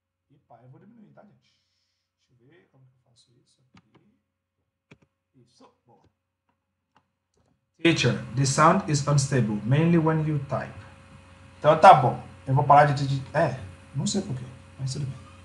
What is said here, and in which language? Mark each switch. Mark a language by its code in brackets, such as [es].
[pt] Opa, eu vou diminuir, tá, gente? Deixa eu ver como que eu faço isso aqui. Isso, boa. [en] Teacher, the sound is unstable, mainly when you type. [pt] Então tá bom, eu vou parar de digitar. Não sei porquê, mas tudo bem.